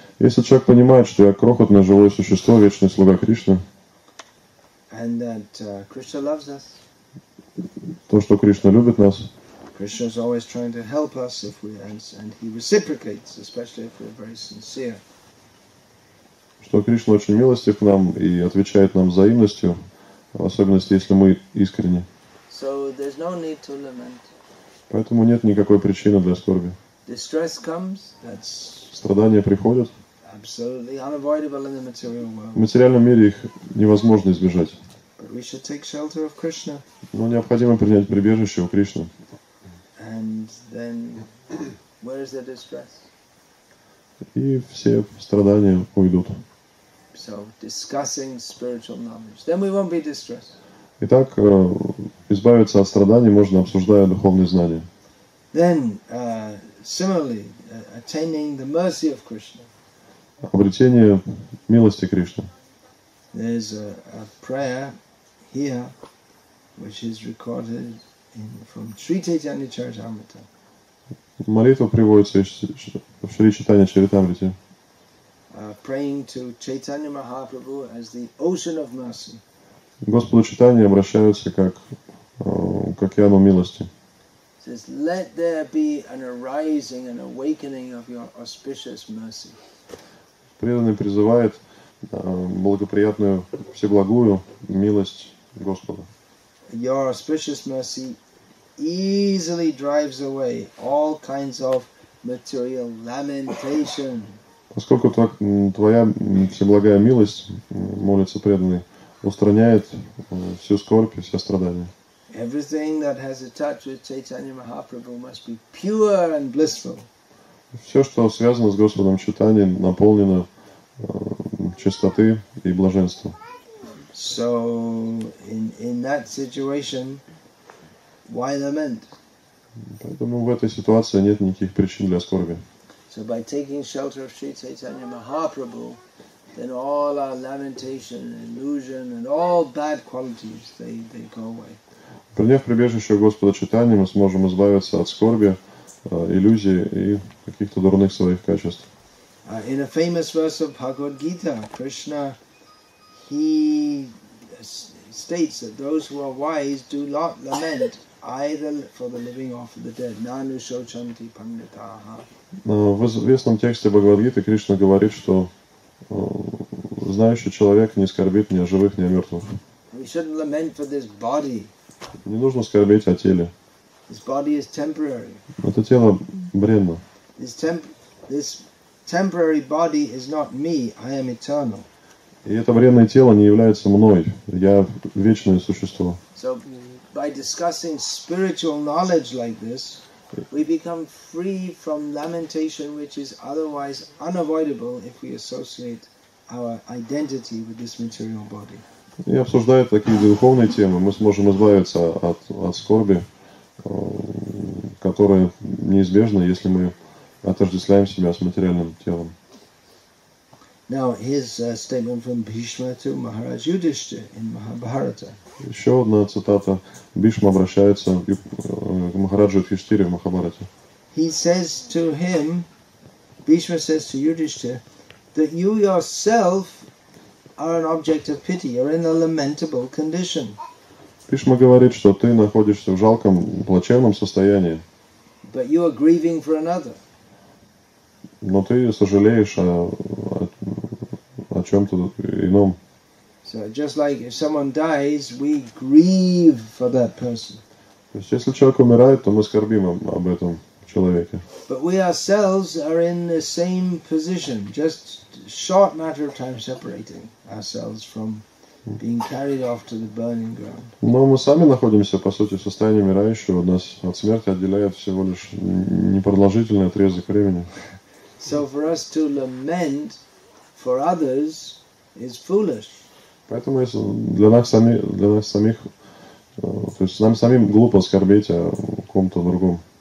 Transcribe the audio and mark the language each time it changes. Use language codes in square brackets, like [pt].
[ru] Если человек понимает, что я крохотное живое существо, вечный слуга Кришны. [en] And that Krishna loves us. [ru] то, что Кришна любит нас. [en] Krishna is always trying to help us if we and he reciprocates, especially if we're very sincere. [ru] Что Кришна очень милостив к нам и отвечает нам взаимностью, в особенности если мы искренни. [en] So there's no need to lament. [ru] Поэтому нет никакой причины для скорби. [en] Distress comes, that's [ru] страдания приходят. [en] Absolutely unavoidable in the material world. [ru] В материальном мире их невозможно избежать. [en] But we should take shelter of Krishna. [ru] Но необходимо принять прибежище у Кришны. [en] And then, where is the distress? [ru] И все страдания уйдут. [en] So, discussing spiritual knowledge, then we won't be distressed. [ru] Итак, избавиться от страданий можно, обсуждая духовные знания. [en] Then, similarly, attaining the mercy of Krishna. [ru] Обретение милости Кришны. [en] There's a prayer here, which is recorded. From Sri Chaitanya Charitamrita. [ru] Молитва приводится в Шри Чайтанья Чаритамрите. [en] Praying to Chaitanya Mahaprabhu as the ocean of mercy. [ru] Господу Чайтанье обращаются как к океану милости. [en] Says, let there be an arising and awakening of your auspicious mercy. [ru] Преданный призывает благоприятную всеблагую милость Господа. [en] Your auspicious mercy easily drives away all kinds of material lamentation. [ru] Поскольку твоя всеблагая милость, молится преданный, устраняет всю скорбь и все страдания. [en] Everything that has a touch with Chaitanya Mahaprabhu must be pure and blissful. [ru] Все, что связано с Господом Чайтаньей, наполнено чистоты и блаженства. [en] So in that situation, why lament? [ru] Поэтому в этой ситуации нет никаких причин для скорби. [en] So by taking shelter of Sri Chaitanya Mahaprabhu, then all our lamentation, illusion, and all bad qualities they go away. [ru] Приняв прибежище Господа Чайтаньи, мы сможем избавиться от скорби, иллюзий и каких-то дурных своих качеств. [en] In a famous verse of Bhagavad Gita, Krishna, he states that those who are wise do not lament. Either for the living or for the dead. [sa] Nanu shochanti pangataha. [ru] В известном тексте Бхагавад-гиты Кришна говорит, что знающий человек не скорбит ни о живых, ни о мертвых. [en] We shouldn't lament for this body. [ru] Не нужно скорбеть о теле. [en] This body is temporary. [ru] Это тело бренно. [en] This temporary body is not me. I am eternal. [ru] И это бренное тело не является мной. Я вечное существо. [en] So, by discussing spiritual knowledge like this, we become free from lamentation, which is otherwise unavoidable if we associate our identity with this material body. [ru] И обсуждая такие духовные темы, мы сможем избавиться от скорби, которая неизбежна, если мы отождествляем себя с материальным телом. [en] Now here's a statement from Bhishma to Maharaj Yudhishthira in Mahabharata. [ru] Еще одна цитата. Бишма обращается к Махараджу Юдхиштхире в Махабхарате. [en] He says to him, Bhishma says to Yudhishthira, that you yourself are an object of pity. You're in a lamentable condition. [ru] Бишма говорит, что ты находишься в жалком, плачевном состоянии. [en] But you are grieving for another. [ru] Но ты сожалеешь о чем-то ином. [en] So just like if someone dies, we grieve for that person. [ru] То есть если человек умирает, то мы скорбим об этом человеке. [en] But we ourselves are in the same position, just short matter of time separating ourselves from being carried off to the burning ground. [ru] Но мы сами находимся, по сути, в состоянии умирающего. Нас от смерти отделяет всего лишь непродолжительный отрезок времени. [en] So for us to lament for others is foolish. [ru] Поэтому для нас самих, то есть нам самим глупо скорбеть о ком-то другом.